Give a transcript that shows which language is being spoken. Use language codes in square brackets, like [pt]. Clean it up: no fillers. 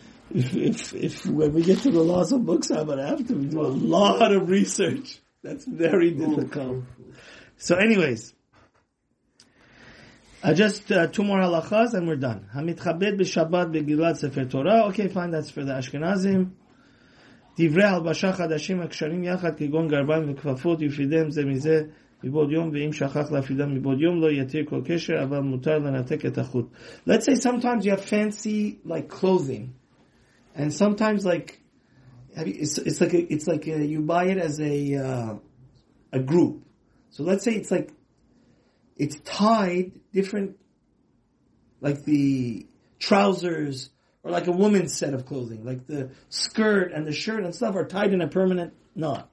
[en] If when we get to the laws of mukhsa, I'm gonna have to do a lot of research. That's very difficult. So anyways, two more halachas and we're done. [he] Hamitchabed b'Shabbat b'Gilad Sefer Torah. [en] Okay, fine, that's for the Ashkenazim. [he] דברי הלבשה חדשים הקשרים יחד כגון גרביים וכפפות יפידם זה מזה מבעוד יום ואם שכח להפידם מבעוד יום לא יתיר כל קשר אבל מותר לנתק את החוט. [en] Let's say sometimes you have fancy like clothing and sometimes like it's like you buy it as a group. So let's say it's like it's tied different like the trousers or like a woman's set of clothing, like the skirt and the shirt and stuff are tied in a permanent knot.